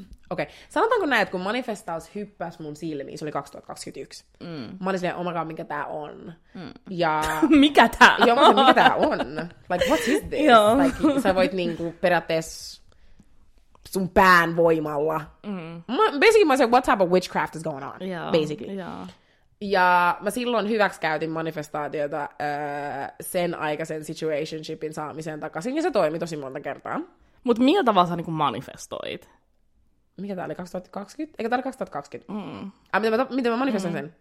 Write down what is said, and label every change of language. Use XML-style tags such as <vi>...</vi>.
<fi>Okei, sanotaanko näin, että kun manifestaus hyppäsi mun silmiin, se oli 2021. Mm. Mä olin silleen, omakaa, mikä tää on. Mm. Ja... mikä tää on? Joo, mikä tää on?</fi> <en>Like, what is this?</en> <fi>Joo. Like, sä voit niinku periaatteessa sun pään voimalla. Mm.</fi> <en>Basically,</en> <fi>mä olin</fi> <en>what type of witchcraft is going on?</en> <fi>Joo.</fi> <en>Basically.</en> <fi>Joo. Ja mä silloin hyväksikäytin manifestaatiota sen aikaisen situationshipin saamiseen takaisin, ja se toimi tosi monta kertaa. Mut miltä vaan sä niinku manifestoit? Mikä tää oli, 2020? Eikö tää oli 2020? Mm. Miten mä manifestoin sen?</fi>